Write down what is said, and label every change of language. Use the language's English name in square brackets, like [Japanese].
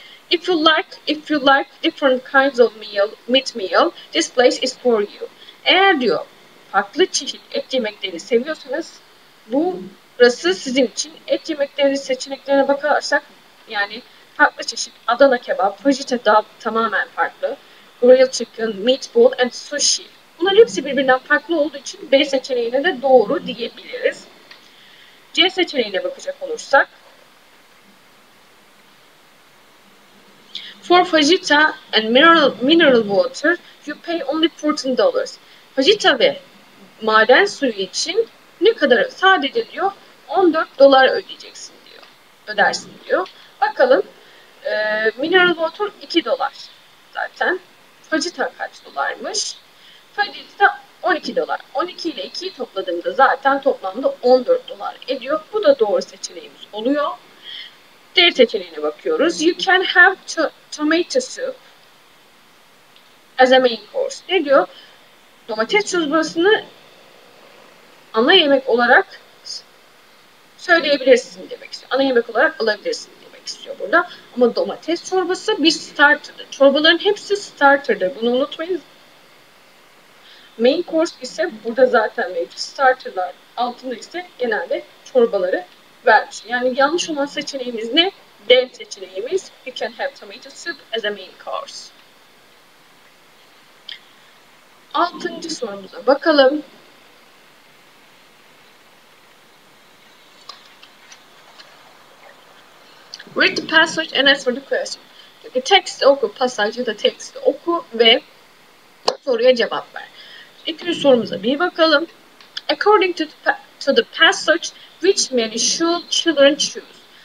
[English] If you like different kinds of meat meal, this place is for you. [Turkish] Eğer diyor farklı çeşit et yemekleri seviyorsanız burası sizin için. Et yemekleri seçeneklerine bakarsak yani farklı çeşit Adana kebap, fajita da tamamen farklı. [English] Grilled chicken, meatball and sushi. [Turkish] Bunların hepsi birbirinden farklı olduğu için B seçeneğine de doğru diyebiliriz. C seçeneğine bakacak olursak. [English] For fajita and mineral water, you pay only $14. [Turkish] Fajita ve maden suyu için ne kadar sadece diyor 14 dolar ödeyeceksin diyor. Ödersin diyor. Bakalım mineral water 2 dolar zaten. Fajita kaç dolarmış? Fajita 12 dolar. 12 ile 2'yi topladığımda zaten toplamda 14 dolar ediyor. Bu da doğru seçeneğimiz oluyor. D seçeneğine bakıyoruz. [English] You can have tomato soup as a main course. [Turkish] Ne diyor? Domates çorbasını ana yemek olarak söyleyebilirsin demek istiyor. Ana yemek olarak alabilirsin demek istiyor burada. Ama domates çorbası bir starter'dır. Çorbaların hepsi starter'dır. Bunu unutmayın. Main course ise burada zaten mevcut. Starter'lar altında ise genelde çorbaları vermiş. Yani yanlış olan seçeneğimiz ne? D seçeneğimiz. [English] You can have tomato soup as a main course. [Turkish] Altıncı sorumuza bakalım. [English] Read the passage and answer the question. [Turkish] Çünkü teksti oku, pasajı ya da teksti oku ve soruya cevap ver. İkinci sorumuza bir bakalım. [English] According to the passage, which menu should children choose?